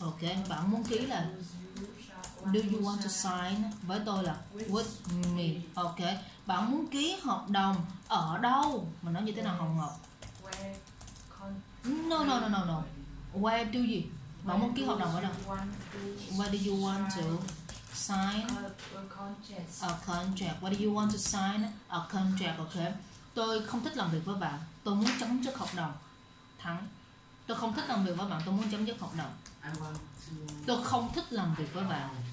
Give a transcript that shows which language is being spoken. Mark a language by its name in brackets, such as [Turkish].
[English] Okay. [Vietnamese] Bạn muốn ký là [English] do you want to sign? [Vietnamese] Với tôi là [English] with me. Okay. [Vietnamese] Bạn muốn ký hợp đồng ở đâu? Mình nói như thế nào, Hồng Ngọc? [English] No, no, no, no, no. Where do you? [Vietnamese] Bạn muốn ký hợp đồng ở đâu? [English] Where do you want to sign a contract? What do you want to sign a contract? Okay. [Vietnamese] Tôi không thích làm việc với bạn. Tôi muốn chấm dứt hợp đồng. Thắng. Tôi không thích làm việc với bạn. Tôi muốn chấm dứt hợp đồng. Tôi không thích làm việc với bạn.